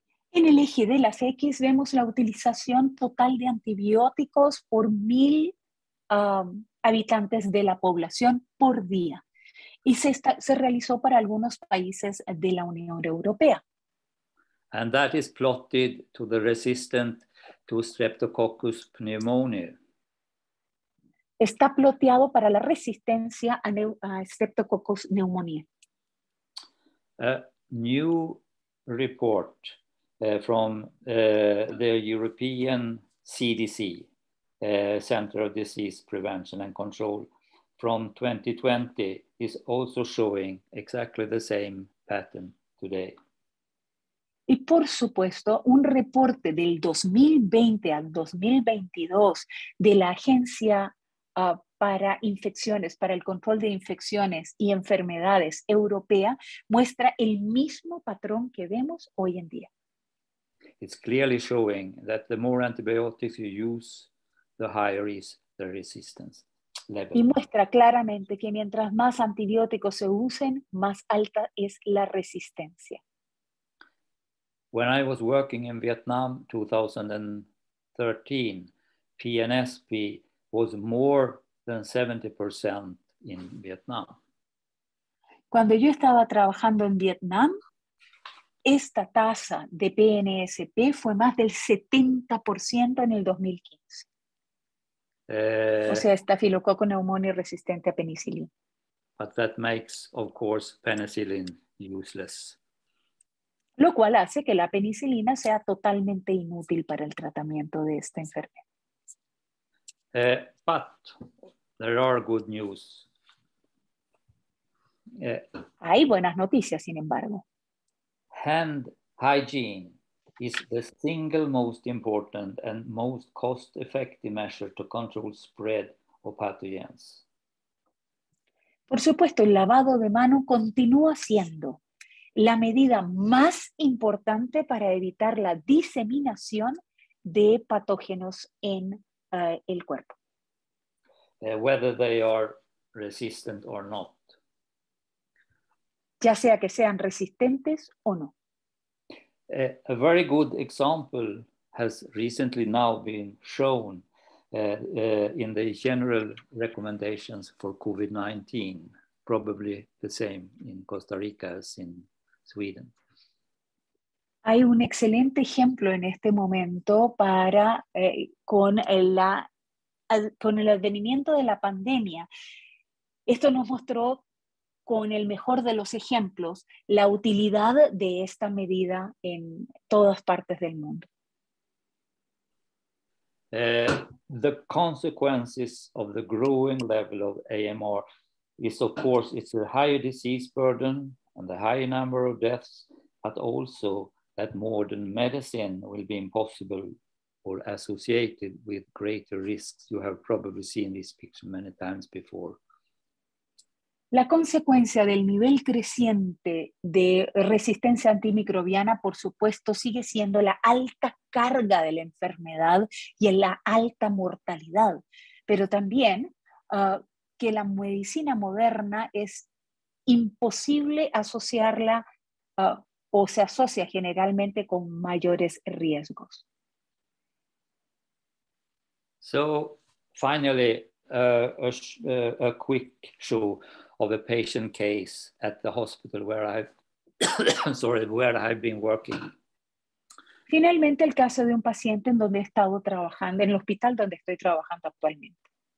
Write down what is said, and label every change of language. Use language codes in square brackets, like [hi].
[es] En el eje de las X vemos la utilización total de antibióticos por 1,000 habitantes de la población por día. Y se realizó para algunos países de la Unión Europea. [en] And that is plotted to the resistant to Streptococcus pneumoniae. [es] Está ploteado para la resistencia a Streptococcus pneumoniae. [en] A new report from the European CDC, Center of Disease Prevention and Control, from 2020 is also showing exactly the same pattern today. [es] Y por supuesto, un reporte del 2020 al 2022 de la Agencia para Infecciones, para el Control de Infecciones y Enfermedades Europea, muestra el mismo patrón que vemos hoy en día. [en] It's clearly showing that the more antibiotics you use, the higher is the resistance level. [es] Y muestra claramente que mientras más antibióticos se usen, más alta es la resistencia. [en] When I was working in Vietnam 2013, PNSP was more than 70% in Vietnam. [es] Cuando yo estaba trabajando en Vietnam, esta tasa de PNSP fue más del 70% en el 2015. O sea, estafilococo neumonía resistente a penicilina. [en] But that makes, of course, penicillin useless. [es] Lo cual hace que la penicilina sea totalmente inútil para el tratamiento de esta enfermedad. [en] But there are good news. [es] Hay buenas noticias, sin embargo. [en] Hand hygiene is the single most important and most cost-effective measure to control spread of pathogens. [es] Por supuesto, el lavado de mano continúa siendo la medida más importante para evitar la diseminación de patógenos en el cuerpo. [en] Whether they are resistant or not. [es] Ya sea que sean resistentes o no. [en] A very good example has recently now been shown in the general recommendations for COVID-19, probably the same in Costa Rica as in Sweden. [es] Hay un excelente ejemplo en este momento para con el advenimiento de la pandemia. Esto nos mostró con el mejor de los ejemplos la utilidad de esta medida en todas partes del mundo. [en] The consequences of the growing level of AMR is, of course, it's a higher disease burden and a higher number of deaths, but also that modern medicine will be impossible or associated with greater risks. You have probably seen this picture many times before. [es] La consecuencia del nivel creciente de resistencia antimicrobiana, por supuesto, sigue siendo la alta carga de la enfermedad y en la alta mortalidad, pero también que la medicina moderna es imposible asociarla o se asocia generalmente con mayores riesgos. [en] So, finally, a quick show of a patient case at the hospital where I've been working. [es] Finalmente, el caso de un paciente en donde he estado trabajando, en el hospital donde estoy trabajando actualmente.